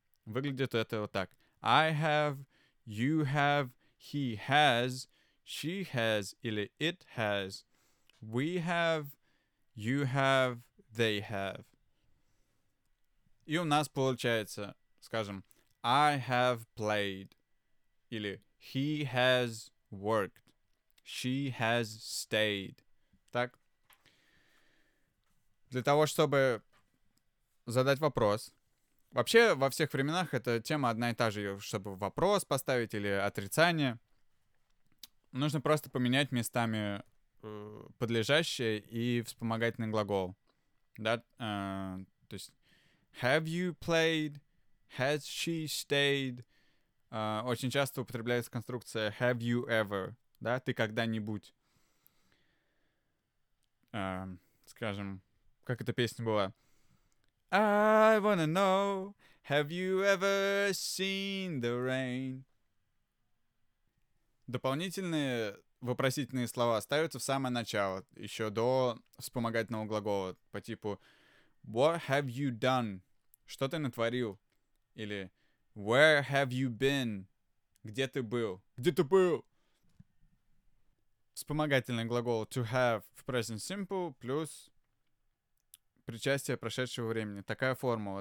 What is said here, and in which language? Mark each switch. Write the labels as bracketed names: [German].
[Russian] Выглядит это вот так: [English] I have, you have, he has, she has [Russian] или [English] it has, we have, you have, they have. [Russian] И у нас получается, скажем, [English] I have played [Russian] или [English] he has worked, she has stayed. [Russian] Так? Для того, чтобы задать вопрос, Вообще, во всех временах эта тема одна и та же, чтобы вопрос поставить или отрицание. Нужно просто поменять местами подлежащее и вспомогательный глагол. Да? То есть, [English] have you played? Has she stayed? [Russian] Очень часто употребляется конструкция [English] have you ever? [Russian] Да, ты когда-нибудь. Скажем, как эта песня была? [English] I wanna know, have you ever seen the rain? [Russian] Дополнительные вопросительные слова ставятся в самое начало, еще до вспомогательного глагола, по типу [English] what have you done? [Russian] Что ты натворил? Или [English] where have you been? [Russian] Где ты был? Где ты был? Вспомогательный глагол to have в present simple плюс причастие прошедшего времени. Такая формула.